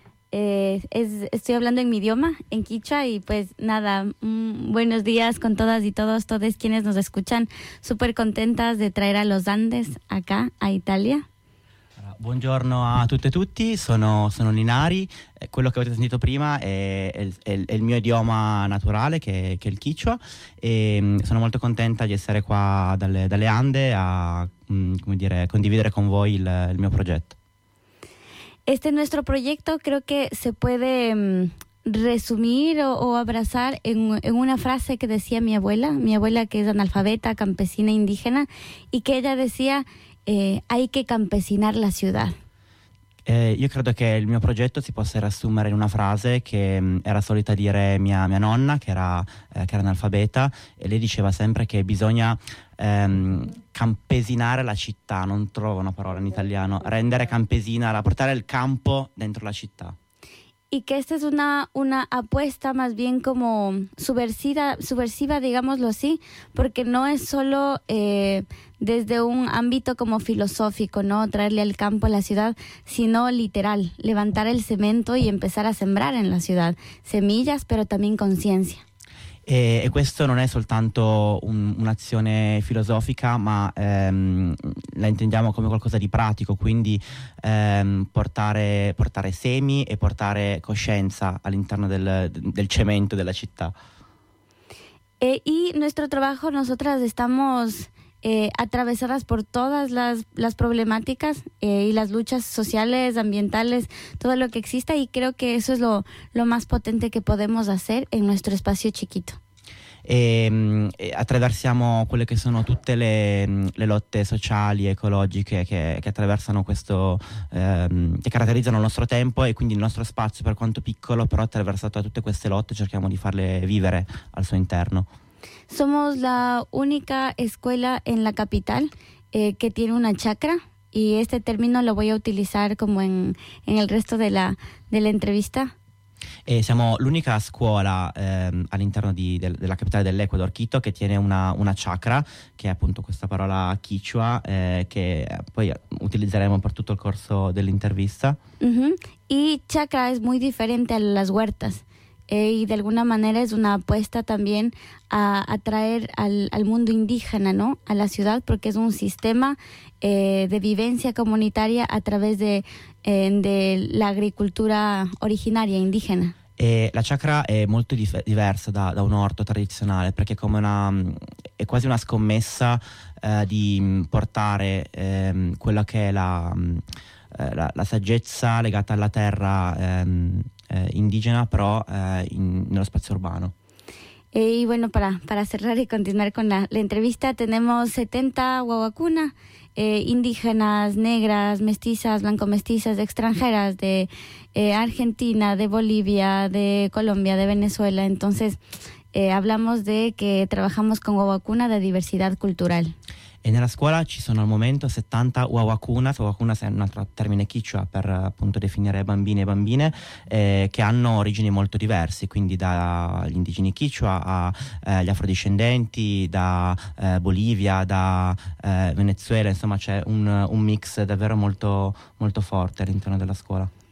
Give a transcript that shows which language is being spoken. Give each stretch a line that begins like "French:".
Spanish: Estoy hablando en mi idioma, en quichua, y pues nada, buenos días con todas y todos, todos quienes nos escuchan. Súper contentas de traer a los Andes acá, a Italia.
Italian: Buongiorno a tutte e tutti, sono Ninari. Quello che avete sentito prima è il mio idioma naturale, che è il quichua, e sono molto contenta di essere qua dalle Ande a condividere con voi il mio progetto.
Spanish: Este nuestro proyecto creo que se puede resumir o abrazar en una frase que decía mi abuela, que es analfabeta, campesina indígena, y que ella decía: hay que campesinar la ciudad.
Italian: Io credo che il mio progetto si possa riassumere in una frase che era solita dire mia nonna, che era analfabeta, e lei diceva sempre che bisogna campesinare la città. Non trovo una parola in italiano. Rendere campesina, portare il campo dentro la città.
Spanish: Y que esta es una apuesta más bien como subversiva, digámoslo así, porque no es solo desde un ámbito como filosófico, ¿no? Traerle al campo a la ciudad, sino literal, levantar el cemento y empezar a sembrar en la ciudad, semillas, pero también conciencia.
Italian: E questo non è soltanto un'azione filosofica, ma la intendiamo come qualcosa di pratico, quindi portare semi e portare coscienza all'interno del cemento della città.
Spanish: Y nuestro trabajo, nosotras estamos atravesadas por todas las problemáticas y las luchas sociales, ambientales, todo lo que exista, y creo que eso es lo más potente que podemos hacer en nuestro espacio chiquito.
Italian: E attraversiamo quelle che sono tutte le lotte sociali, ecologiche che attraversano questo che caratterizzano il nostro tempo, e quindi il nostro spazio, per quanto piccolo, però attraversato da tutte queste lotte, cerchiamo di farle vivere al suo interno.
Spanish: Somos la única escuela en la capital que tiene una chacra, y este término lo voy a utilizar como en el resto de la entrevista.
Italian: Siamo l'unica scuola all'interno della capitale dell'Ecuador, Quito, che tiene una chakra, che è appunto questa parola quichua, che poi utilizzeremo per tutto il corso dell'intervista.
Spanish: Y chakra es muy diferente a las huertas. Y de alguna manera es una apuesta también a atraer al mundo indígena, ¿no? A la ciudad, porque es un sistema de vivencia comunitaria a través de la agricultura originaria indígena.
Italian: E la chakra è molto diversa da un orto tradizionale, perché è quasi una scommessa di portare quella che è la saggezza legata alla terra indígena,
Spanish: pero en el espacio urbano. Y bueno, para cerrar y continuar con la entrevista, tenemos 70 huahuacuna, indígenas, negras, mestizas, blanco-mestizas, extranjeras de Argentina, de Bolivia, de Colombia, de Venezuela. Entonces, hablamos de que trabajamos con huahuacuna de diversidad cultural.
Italian: E nella scuola ci sono al momento 70 wawakunas, wawakunas è un altro termine quichua per appunto definire bambini e bambine, che hanno origini molto diverse, quindi dagli indigeni quichua agli afrodiscendenti, da Bolivia, da Venezuela, insomma c'è un mix davvero molto, molto forte all'interno della scuola.